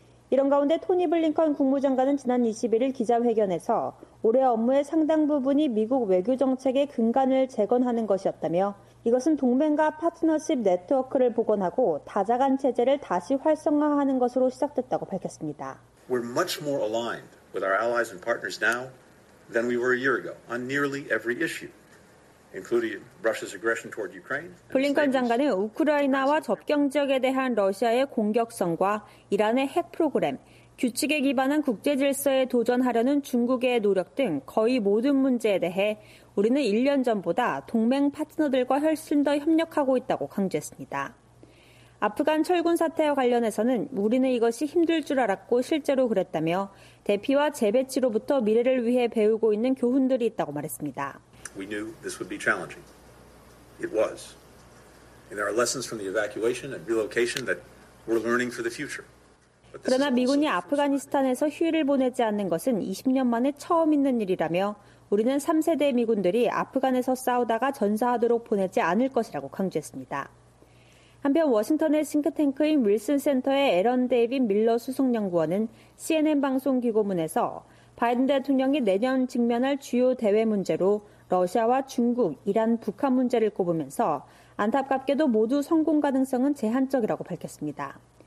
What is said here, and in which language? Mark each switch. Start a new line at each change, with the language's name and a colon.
Korean: 이런 가운데 토니 블링컨 국무장관은 지난 21일 기자회견에서 올해 업무의 상당 부분이 미국 외교정책의 근간을 재건하는 것이었다며 이것은 동맹과 파트너십 네트워크를 복원하고 다자간 체제를 다시 활성화하는 것으로 시작됐다고 밝혔습니다.
English: We're much more aligned with our allies and partners now than we were a year ago on nearly every issue.
Korean: 블링컨 장관은 우크라이나와 접경 지역에 대한 러시아의 공격성과 이란의 핵 프로그램, 규칙에 기반한 국제 질서에 도전하려는 중국의 노력 등 거의 모든 문제에 대해 우리는 1년 전보다 동맹 파트너들과 훨씬 더 협력하고 있다고 강조했습니다. 아프간 철군 사태와 관련해서는 우리는 이것이 힘들 줄 알았고 실제로 그랬다며 대피와 재배치로부터 미래를 위해 배우고 있는 교훈들이 있다고 말했습니다.
English: We knew this would be challenging. It was. And there are lessons from the evacuation and relocation that we're learning for the future.
Korean: 그러나 미군이 아프가니스탄에서 휴일을 보내지 않는 것은 20년 만에 처음 있는 일이라며 우리는 3세대 미군들이 아프간에서 싸우다가 전사하도록 보내지 않을 것이라고 강조했습니다. 한편 워싱턴의 싱크탱크인 윌슨 센터의 에런 데이빗 밀러 수석연구원은 CNN 방송 기고문에서 바이든 대통령이 내년 직면할 주요 대외 문제로 러시아와 중국, 이란, 북한 문제를 꼽으면서 안타깝게도 모두 성공 가능성은 제한적이라고 밝혔습니다.